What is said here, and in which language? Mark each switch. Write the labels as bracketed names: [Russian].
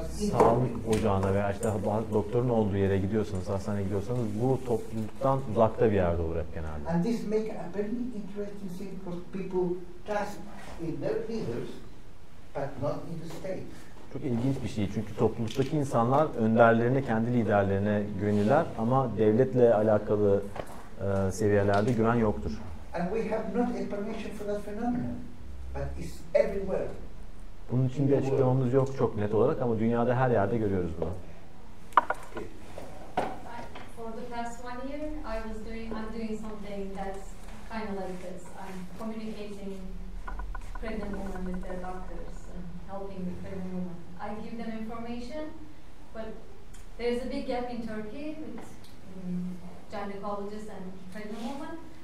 [Turkish] Sağlık ocağına veya işte doktorun olduğu yere gidiyorsanız, hastaneye gidiyorsanız bu topluluktan uzakta bir yerde olur hep genelde. [English] And this make a very interesting thing because people trust in their leaders, but not in the state. [Turkish] çok ilginç bir şey. Çünkü topluluktaki insanlar önderlerine, kendi liderlerine güvenirler ama devletle alakalı seviyelerde güven yoktur. [English] And we have not explanation for that phenomenon, but it's everywhere. [Turkish] Bunun için bir açıklamamız yok çok net olarak ama dünyada her yerde görüyoruz bunu. [English] For the past one year, I'm doing something that's kind of like this. I'm communicating pregnant women with their doctors and helping the pregnant women. I give them information, but there's a big gap in Turkey with gynecologists and pregnant women.